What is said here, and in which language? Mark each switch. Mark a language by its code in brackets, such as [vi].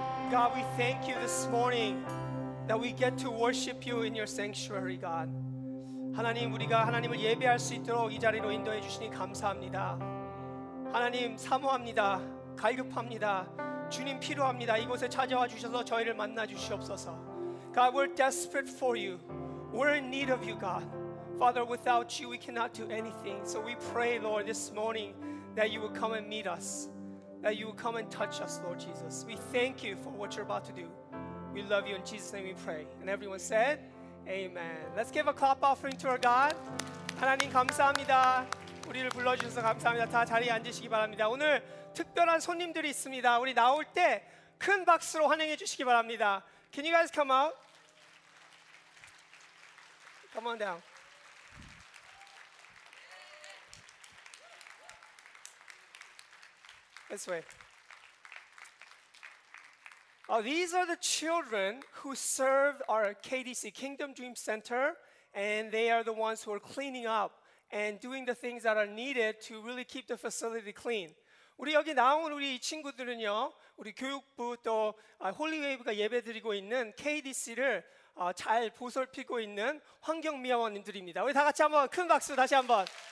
[en] God, we thank you this morning that we get to worship you in your sanctuary, God. [ko] 하나님, 우리가 하나님을 예배할 수 있도록 이 자리로 인도해 주시니 감사합니다. 하나님, 사모합니다. 갈급합니다. 주님 필요합니다. 이곳에 찾아와 주셔서 저희를 만나 주시옵소서. [en] God, we're desperate for you. We're in need of you, God. Father, without you, we cannot do anything. So we pray, Lord, this morning that you will come and meet us. That you will come and touch us, Lord Jesus. We thank you for what you're about to do. We love you. In Jesus' name we pray. And everyone said, Amen. Let's give a clap offering to our God. [ko] 하나님 감사합니다. 우리를 불러주셔서 감사합니다. 다 자리에 앉으시기 바랍니다. 오늘 특별한 손님들이 있습니다. 우리 나올 때 큰 박수로 환영해 주시기 바랍니다. [en] Can you guys come out? Come on down. This way. These are the children who served our KDC, Kingdom Dream Center, and they are the ones who are cleaning up and doing the things that are needed to really keep the facility clean. [ko] 우리 여기 나온 우리 친구들은요, 우리 교육부 또 홀리웨이브가 예배드리고 있는 KDC를 잘 보살피고 있는 환경미화원님들입니다. 우리 다 같이 한번 큰 박수 다시 한번.